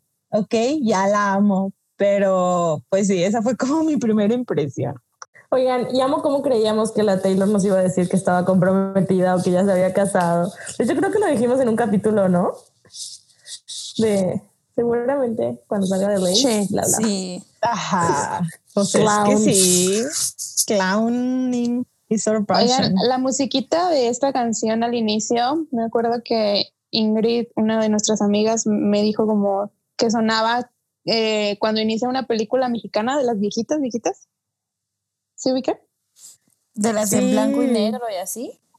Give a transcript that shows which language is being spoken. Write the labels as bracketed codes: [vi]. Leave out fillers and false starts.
[es] Ok, ya la amo, pero pues sí, esa fue como mi primera impresión. Oigan, y amo cómo creíamos que la Taylor nos iba a decir que estaba comprometida o que ya se había casado. Yo creo que lo dijimos en un capítulo, ¿no? De seguramente cuando salga de Lace. Sí. Ajá. Pues clown. Es que sí. [en] Clowning is our passion. [es] Oigan, la musiquita de esta canción al inicio, me acuerdo que Ingrid, una de nuestras amigas, me dijo como... que sonaba cuando inicia una película mexicana de las viejitas. ¿Sí ubica? De las en blanco y negro y así.